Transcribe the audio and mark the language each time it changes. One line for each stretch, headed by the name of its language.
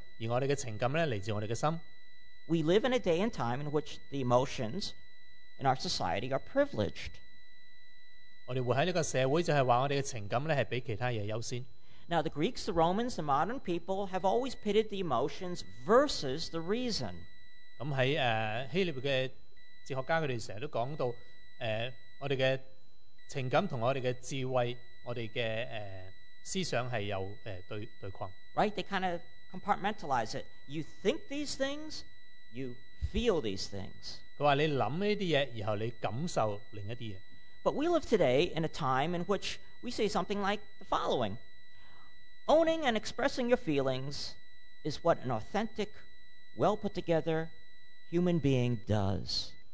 Chinese: 我们今天所讲的就是我们以为我们的思想来自我们的脑袋,而我们的情感来自我们的心。
English: We live in a day and time in which the emotions in our society are privileged.
Chinese: 我们活在这个社会就是说我们的情感是比其他东西优先。
English: Now the Greeks, the Romans, the modern people have always pitted the emotions versus the reason.
Chinese: 在希腊的哲学家他们经常都讲到我们的情感和我们的智慧,我们的思想是有对抗。
English: Right, they kind of compartmentalize it. You think these things, you feel these things.
Chinese: 他说你想这些东西,然后你感受另一些东西。
English: But we live today in a time in which we say something like the following. Owning and expressing your feelings is what an authentic, well-put-together human being does.